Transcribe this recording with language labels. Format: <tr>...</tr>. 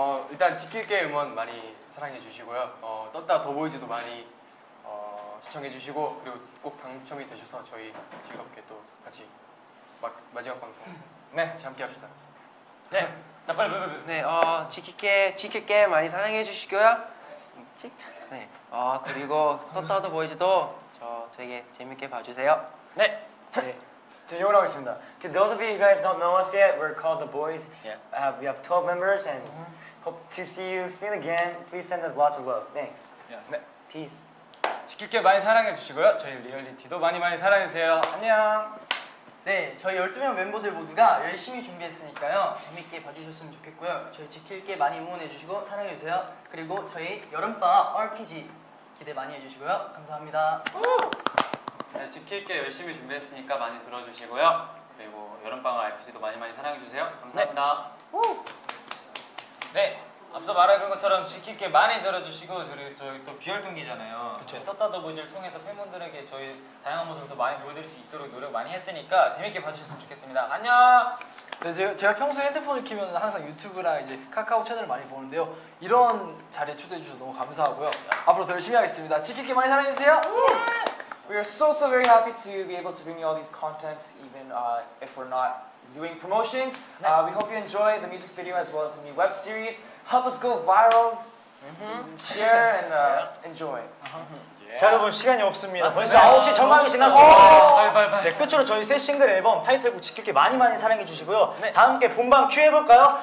<ko>일단 지킬게 응원 많이 사랑해주시고요. 떴다 더 보이즈도 많이 시청해주시고 그리고 꼭 당첨이 되셔서 저희 즐겁게 또 같이 마지막 방송. 네, 같이 함께 합시다. 네. 나 빨리 빨리. 네. 지킬게 많이 사랑해 주시고요. 틱. 네. 그리고 떴다도 보이지도 저 되게 재밌게 봐 주세요. 네. 네. 저 요거 하겠습니다.</ko> <en>To those of you guys don't know us yet, we're called the boys. Yeah. We have 12 members and hope to see you soon again. Please send us lots of love. Thanks. Yes. 네. Peace.</en> <ko>지킬게 많이 사랑해 주시고요. 저희 리얼리티도 많이 많이 사랑해 주세요. 안녕. 네, 저희 12명 멤버들 모두가 열심히 준비했으니까요. 재밌게 봐주셨으면 좋겠고요. 저희 지킬게 많이 응원해주시고 사랑해주세요. 그리고 저희 여름방학 RPG 기대 많이 해주시고요. 감사합니다. 네, 지킬게 열심히 준비했으니까 많이 들어주시고요. 그리고 여름방학 RPG도 많이 많이 사랑해주세요. 감사합니다. 네. 앞서 말한 것처럼 지킬게 많이 들어주시고 저희 또 비활동기잖아요. 그렇죠. 떴다 더보이즈를 통해서 팬분들에게 저희 다양한 모습을 더 많이 보여드릴 수 있도록 노력 많이 했으니까 재밌게 봐주셨으면 좋겠습니다. 안녕! 네, 제가 평소에 핸드폰을 키면 항상 유튜브랑 이제 카카오 채널을 많이 보는데요. 이런 자리에 초대해 주셔서 너무 감사하고요. 앞으로 더 열심히 하겠습니다. 지킬게 많이 사랑해주세요!</ko> <en>We are so so very happy to be able to bring you all these contents even if we're not doing promotions. We hope you enjoy the music video as well as the new web series. Help us go viral. Share and enjoy.</en> <ko>자, 여러분 시간이 없습니다. 벌써 9시 정각이 지났습니다. 네, 끝으로 저희 새 싱글 앨범 타이틀곡 지킬게 많이 많이 사랑해 주시고요. 네. 다 함께 본방 큐 해볼까요?</ko>